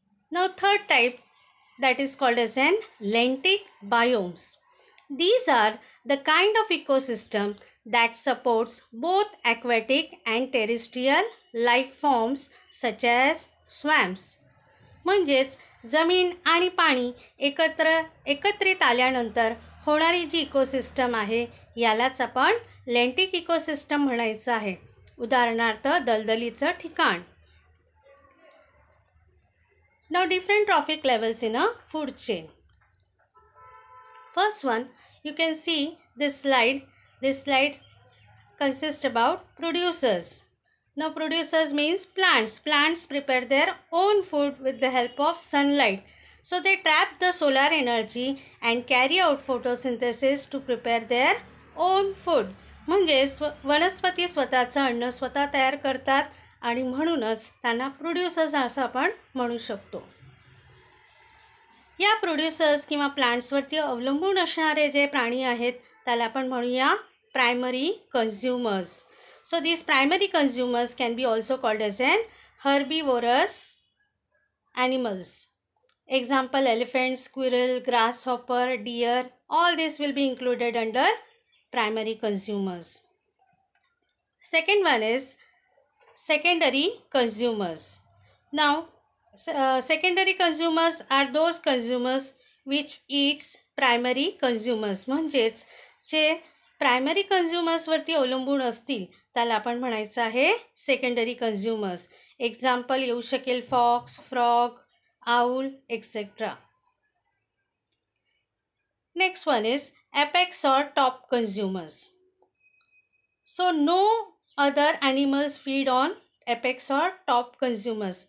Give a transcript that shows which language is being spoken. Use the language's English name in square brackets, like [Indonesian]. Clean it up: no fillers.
[English] Now third type, that is called as an lentic biomes. These are the kind of ecosystem that supports both aquatic and terrestrial life forms such as swamps. [Marathi] म्हणजेच जमीन आणि पाणी एकत्रित आल्यानंतर होणारी जी ecosystem आहे यालाच आपण लेंटिक इकोसिस्टम म्हणायचं आहे. उदाहरणार्थ दलदलीचं ठिकाण. [English] नाव different trophic levels in a food chain. First one you can see this slide consist about producers. Now producers means plants. Plants prepare their own food with the help of sunlight. So they trap the solar energy and carry out photosynthesis to prepare their own food. [Marathi] म्हणजेच वनस्पती स्वतःचं अन्न स्वतः तयार करतात आणि म्हणूनच त्यांना प्रोड्युसर्स असं आपण म्हणू शकतो. या प्रोड्युसर्स किंवा प्लांट्सवरती अवलंबून असणारे जे प्राणी आहेत त्याला आपण म्हणूया primary consumers. [English] So these primary consumers can be also called as an herbivorous animals. Example elephant, squirrel, grasshopper, deer, all these will be included under primary consumers. Second one is secondary consumers. Now secondary consumers are those consumers which eats primary consumers. [Marathi] म्हणजेच जे primary कन्झ्युमर्सवरती अवलंबून असतील त्याला आपण म्हणायचं आहे secondary consumers. Example येऊ शकेल fox, frog, owl etcetera. [English] Next one is apex or top consumers. So no other animals feed on apex or top consumers.